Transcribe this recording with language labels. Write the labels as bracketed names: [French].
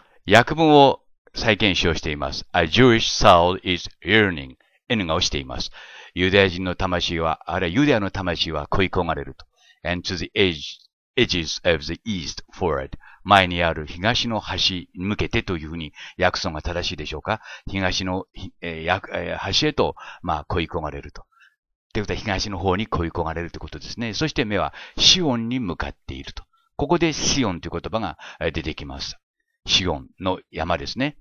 [Japanese] 訳文を再検証しています。 [English] A Jewish soul is yearning. [Japanese] N が押しています。ユダヤ人の魂は、あれユダヤの魂は恋焦がれると。 [English] And to the edges of the east forward. [Japanese] 前にある東の端に向けてというふうに訳損が正しいでしょうか。東の、端へと、まあ、恋焦がれると。ということは東の方に恋焦がれるということですね。そして目はシオンに向かっていると。ここでシオンという言葉が出てきます。シオンの山ですね。